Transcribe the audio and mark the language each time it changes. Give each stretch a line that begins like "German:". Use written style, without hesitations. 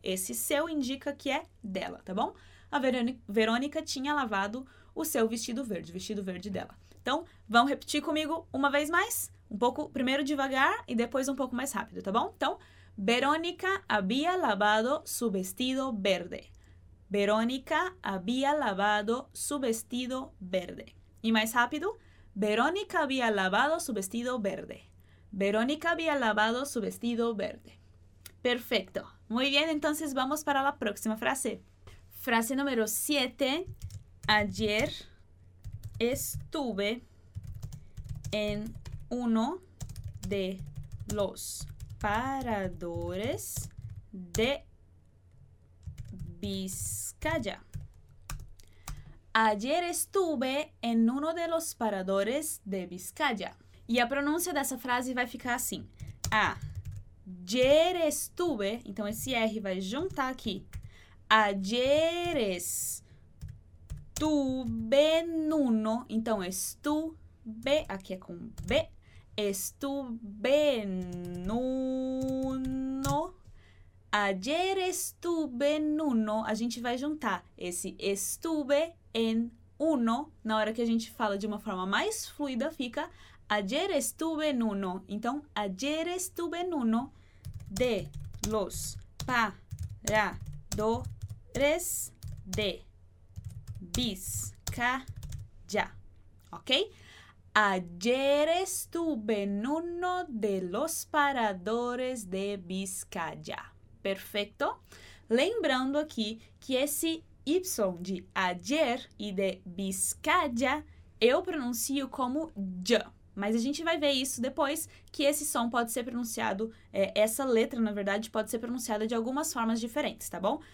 Portuguese: Esse seu indica que é dela, tá bom? A Verónica tinha lavado o seu vestido verde dela. Então, vamos repetir comigo uma vez mais? Um pouco, primeiro devagar e depois um pouco mais rápido, tá bom? Então,
Spanish: Verónica había lavado su vestido verde. Verónica había lavado su vestido verde.
Portuguese: E mais rápido?
Spanish: Verónica había lavado su vestido verde. Verónica había lavado su vestido verde. Perfecto. Muy bien, entonces vamos para la próxima frase. Frase número 7. Ayer estuve en uno de los paradores de Vizcaya. Ayer estuve en uno de los paradores de Vizcaya.
Portuguese: E a pronúncia dessa frase vai ficar assim.
Spanish: Ayer estuve,
Portuguese: então esse R vai juntar aqui.
Spanish: Ayer estuve en uno,
Portuguese: então
Spanish: estuve,
Portuguese: aqui é com B,
Spanish: estuve en uno, ayer estuve en uno,
Portuguese: a gente vai juntar esse
Spanish: estuve en uno,
Portuguese: na hora que a gente fala de uma forma mais fluida fica
Spanish: ayer estuve en uno, então ayer estuve en uno de los paradores de Vizcaya,
Portuguese: ok?
Spanish: Ayer estuve en uno de los paradores de Vizcaya. Perfecto.
Portuguese: Lembrando aqui que esse Y de ayer e de Vizcaya eu pronuncio como J. Mas a gente vai ver isso depois, que esse som pode ser pronunciado, essa letra, na verdade, pode ser pronunciada de algumas formas diferentes, tá bom?